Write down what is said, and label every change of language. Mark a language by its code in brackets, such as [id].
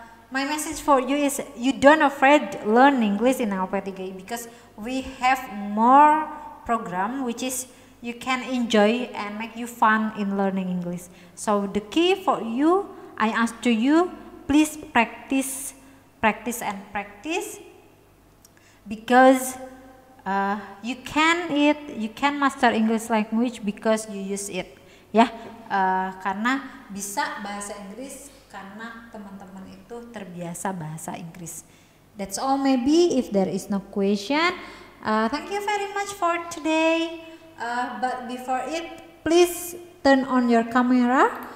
[en] my message for you is, you don't afraid learn English in LP3GI, because we have more program, which is, you can enjoy and make you fun in learning English, so the key for you, I ask to you, please practice, practice and practice, because you can it, you can master English language because you use it, ya. [id] Karena bisa bahasa Inggris karena teman-teman itu terbiasa bahasa Inggris. [en] That's all maybe if there is no question. Thank you very much for today. But before it, please turn on your camera.